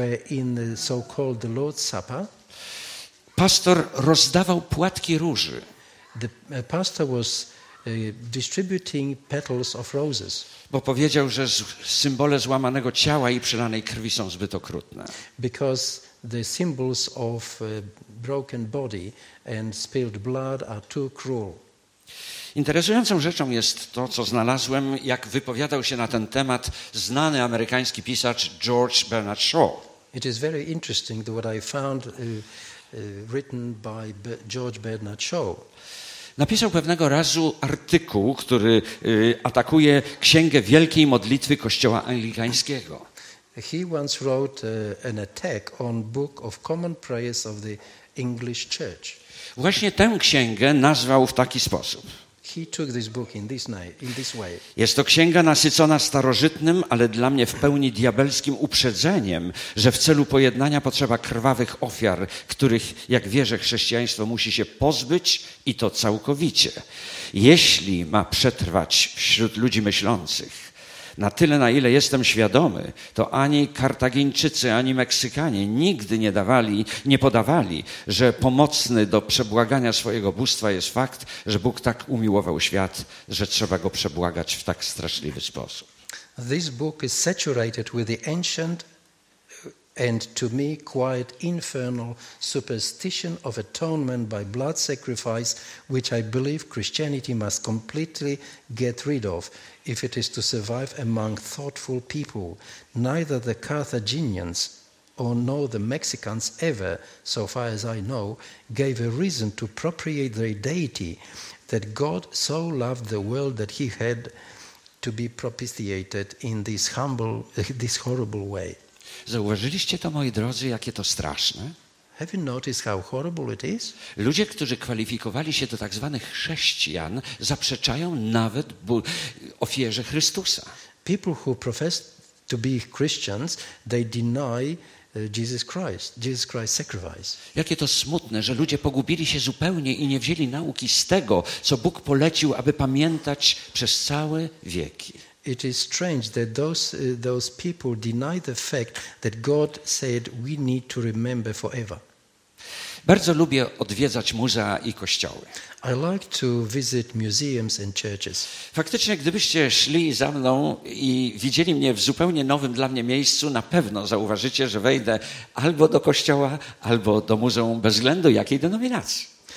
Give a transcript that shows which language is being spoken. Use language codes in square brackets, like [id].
[en] in the so-called the Lord's Supper, [pl] pastor rozdawał płatki róży. [en] The pastor was distributing petals of roses. [pl] Bo powiedział, że symbole złamanego ciała i przelanej krwi są zbyt okrutne. [en] Because the symbols of broken body and spilled blood are too cruel. [pl] Interesującą rzeczą jest to, co znalazłem, jak wypowiadał się na ten temat znany amerykański pisarz George Bernard Shaw. [en] It is very interesting what I found written by George Bernard Shaw. [pl] Napisał pewnego razu artykuł, który atakuje Księgę Wielkiej Modlitwy Kościoła Anglikańskiego. [en] He once wrote an attack on Book of Common Prayers of the English Church. [pl] Właśnie tę księgę nazwał w taki sposób. [en] He took this book in this way. [pl] Jest to księga nasycona starożytnym, ale dla mnie w pełni diabelskim uprzedzeniem, że w celu pojednania potrzeba krwawych ofiar, których, jak wierzę, chrześcijaństwo musi się pozbyć i to całkowicie. Jeśli ma przetrwać wśród ludzi myślących, na tyle, na ile jestem świadomy, to ani Kartagińczycy, ani Meksykanie nigdy nie podawali, że pomocny do przebłagania swojego bóstwa jest fakt, że Bóg tak umiłował świat, że trzeba go przebłagać w tak straszliwy sposób. [en] This book is saturated with the ancient and to me quiet infernal superstition of atonement by blood sacrifice, which I believe Christianity must completely get rid of if it is to survive among thoughtful people. Neither the Carthaginians nor the Mexicans ever, so far as I know, gave a reason to propitiate their deity, that God so loved the world that he had to be propitiated in this horrible way. [pl] Zauważyliście to, moi drodzy, jakie to straszne? [en] Have you noticed how horrible it is? [pl] Ludzie, którzy kwalifikowali się do tak zwanych chrześcijan, zaprzeczają nawet ofierze Chrystusa. [en] People who profess to be Christians, they deny Jesus Christ's sacrifice. [pl] Jakie to smutne, że ludzie pogubili się zupełnie i nie wzięli nauki z tego, co Bóg polecił, aby pamiętać przez całe wieki. [en] It is strange that those people deny the fact that God said we need to remember forever. [pl] Bardzo lubię odwiedzać muzea i kościoły. [en] I like to visit museums and churches. [pl] Faktycznie, gdybyście szli za mną i widzieli mnie w zupełnie nowym dla mnie miejscu, na pewno zauważycie, że wejdę albo do kościoła, albo do muzeum, bez względu jakiej denominacji.